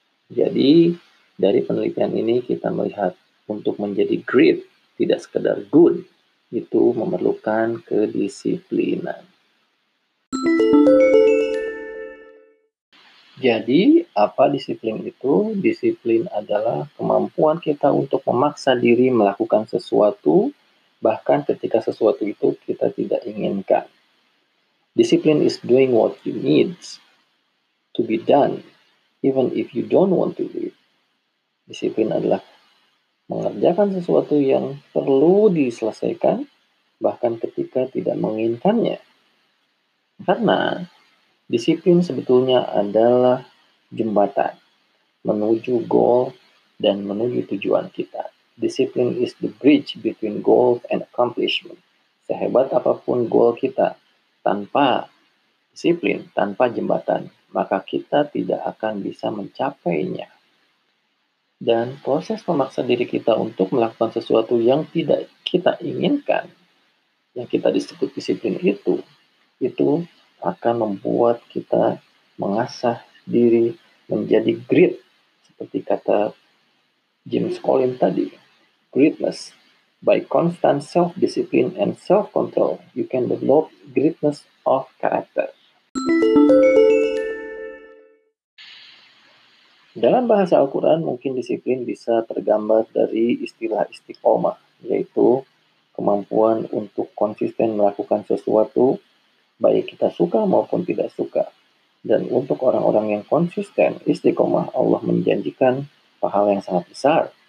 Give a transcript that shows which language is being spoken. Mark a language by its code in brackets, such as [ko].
[id] Jadi dari penelitian ini kita melihat untuk menjadi great, tidak sekedar good, itu memerlukan kedisiplinan. Jadi, apa disiplin itu? Disiplin adalah kemampuan kita untuk memaksa diri melakukan sesuatu, bahkan ketika sesuatu itu kita tidak inginkan. [en] Disiplin is doing what you need to be done, even if you don't want to do it. [id] Disiplin adalah mengerjakan sesuatu yang perlu diselesaikan, bahkan ketika tidak menginginkannya. Karena disiplin sebetulnya adalah jembatan menuju goal dan menuju tujuan kita. [en] Disiplin is the bridge between goals and accomplishment. [id] Sehebat apapun goal kita, tanpa disiplin, tanpa jembatan, maka kita tidak akan bisa mencapainya. Dan proses memaksa diri kita untuk melakukan sesuatu yang tidak kita inginkan, yang kita disebut disiplin itu akan membuat kita mengasah diri menjadi grit, seperti kata James Collins tadi, gritness. [en] By constant self-discipline and self-control, you can develop gritness of character. [id] Dalam bahasa Al-Quran, mungkin disiplin bisa tergambar dari istilah istiqomah, yaitu kemampuan untuk konsisten melakukan sesuatu, baik kita suka maupun tidak suka. Dan untuk orang-orang yang konsisten, istiqomah Allah menjanjikan pahala yang sangat besar.